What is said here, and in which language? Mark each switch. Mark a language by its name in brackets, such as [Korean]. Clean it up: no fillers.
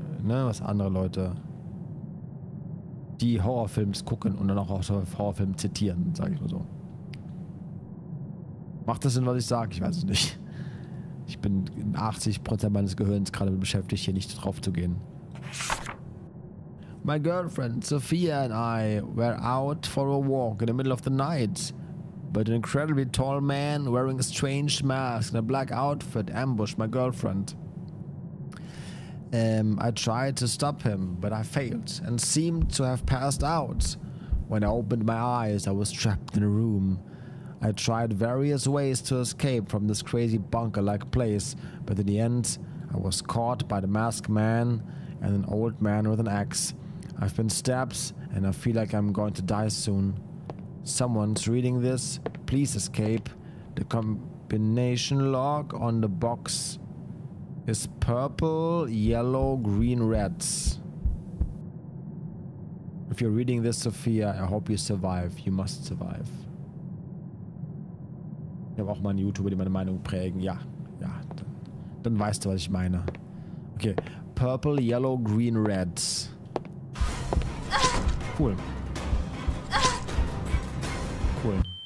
[German] Ne, was andere Leute, die Horrorfilms gucken und dann auch Horrorfilme zitieren, sag ich mal so. Macht das Sinn, was ich sage? Ich weiß es nicht. Ich bin 80% meines Gehirns gerade beschäftigt, hier nicht drauf zu gehen. [English] My girlfriend, Sophia, and I were out for a walk in the middle of the night. But an incredibly tall man wearing a strange mask and a black outfit ambushed my girlfriend. I tried to stop him, but I failed and seemed to have passed out. When I opened my eyes, I was trapped in a room. I tried various ways to escape from this crazy bunker-like place, but in the end, I was caught by the masked man and an old man with an axe. I've been stabbed, and I feel like I'm going to die soon. Someone's reading this. Please escape. The combination lock on the box is purple, yellow, green, red. If you're reading this, Sophia, I hope you survive. You must survive. [German] Ich habe auch mal einen YouTuber, die meine Meinung prägen. Ja, ja. Dann weißt du, was ich meine. Okay. [English] Purple, yellow, green, red. Cool. Cool.